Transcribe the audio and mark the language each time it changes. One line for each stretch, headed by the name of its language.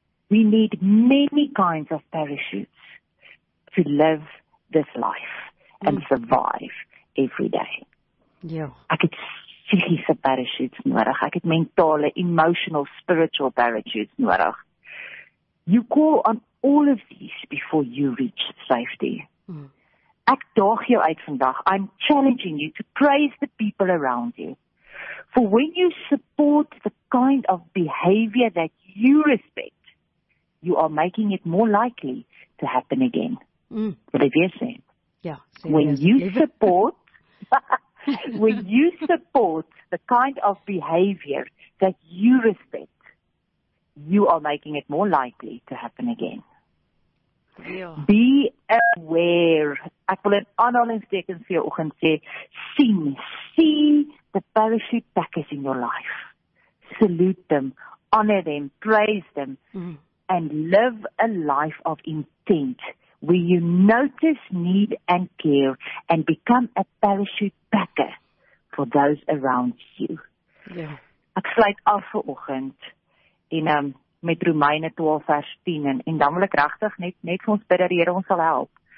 English: We need many kinds of parachutes to live this life and survive every day. Yeah.
Afrikaans: Ek het psychische parachutes nodig. Ek het mentale, emotional, spiritual parachutes nodig.
English: You call on all of these before you reach safety.
Afrikaans: Ek daag jou uit vandag.
English: I'm challenging you to praise the people around you. For when you support the kind of behavior that you respect, you are making it more likely to happen again.
Afrikaans: Wat het jy sê? Ja.
English: When you support, when you support the kind of behavior that you respect, you are making it more likely to happen again.
Afrikaans: Ja.
English: Be aware.
Afrikaans: Ek wil in aanhalingstekens vir jou oggend sê,
English: see the parachute packers in your life. Salute them, honor them, praise them, and live a life of intent where you notice need and care and become a parachute packer for those around you.
Afrikaans: Ja. Ek sluit af vir oggend en met Romeine 12 vers 10 en dan wil ek regtig net vir ons bid dat die Here ons sal help.